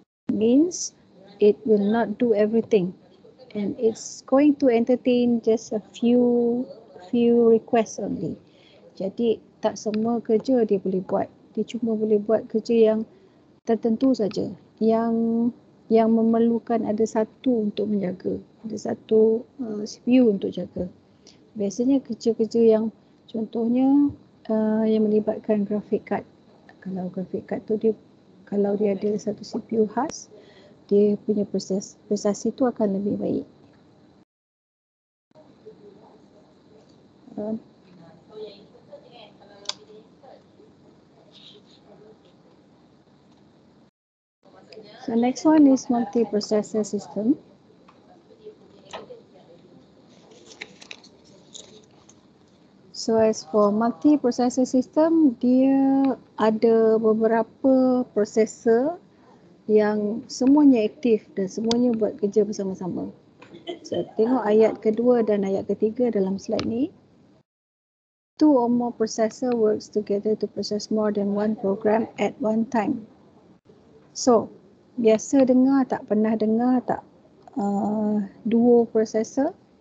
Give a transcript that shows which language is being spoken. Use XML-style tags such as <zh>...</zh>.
<en>Means it will not do everything, and it's going to entertain just a few requests only.</en> <ms>Jadi tak semua kerja dia boleh buat. Dia cuma boleh buat kerja yang tertentu saja, yang memerlukan ada satu untuk menjaga, ada satu CPU untuk jaga. Biasanya kerja-kerja yang contohnya yang melibatkan graphic card. Kalau graphic card tu dia, kalau dia ada satu CPU khas, dia punya prestasi tu akan lebih baik.</ms> <en>So next one is multi-processor system. So as for multi-processor system,</en> <ms>dia ada beberapa processor yang semuanya aktif dan semuanya buat kerja bersama-sama. So tengok ayat kedua dan ayat ketiga dalam slide ni.</ms> <en>Two or more processor works together to process more than one program at one time.</en> <ms>So, biasa dengar, tak pernah dengar tak duo processor?</ms>